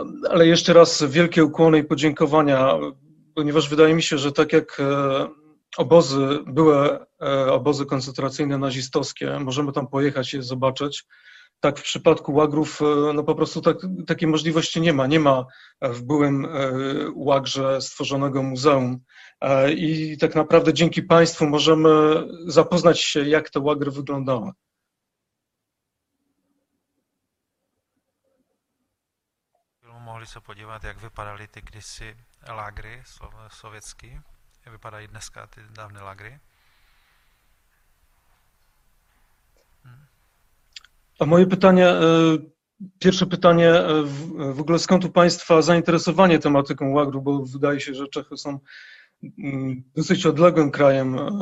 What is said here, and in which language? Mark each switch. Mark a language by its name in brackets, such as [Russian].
[Polish] Ale jeszcze raz wielkie ukłony i podziękowania, ponieważ wydaje mi się, że tak jak obozy, były obozy koncentracyjne nazistowskie, możemy tam pojechać je zobaczyć, tak w przypadku łagrów no po prostu takiej możliwości nie ma. Nie ma w byłym łagrze stworzonego muzeum. I tak naprawdę dzięki Państwu możemy zapoznać się, jak te łagry wyglądały. [Czech] Mohli se podívat, jak vypadaly ty kdysi lágry sovětský, jak vypadají dneska ty dávné lágry. [Polish] A moje pytanie, pierwsze pytanie, w ogóle skąd u Państwa zainteresowanie tematyką łagru, bo wydaje się, że Czechy są dosyć odległym krajem.